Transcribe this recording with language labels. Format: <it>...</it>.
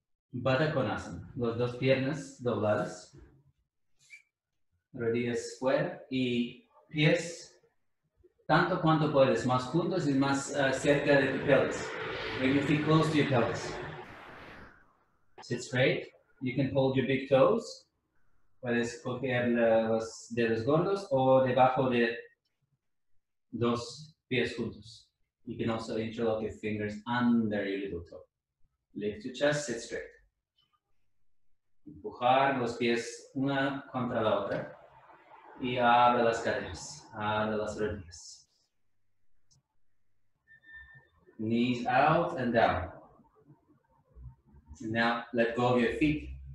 <es>Baddha Konasana, las dos piernas dobladas, rodillas fuera y pies tanto cuanto puedes, más juntos y más cerca de tu pelvis.</es> <en>Maybe feet close to your pelvis. Sit straight. You can hold your big toes.</en> <es>Puedes coger los dedos gordos o debajo de dos pies juntos.</es> <en>You can also interlock your fingers under your little toe. Lift your chest, sit straight.</en> <es>Empujar los pies una contra la otra y abre las caderas, abre las rodillas.</es> <en>Knees out and down. Now let go of your feet.</en>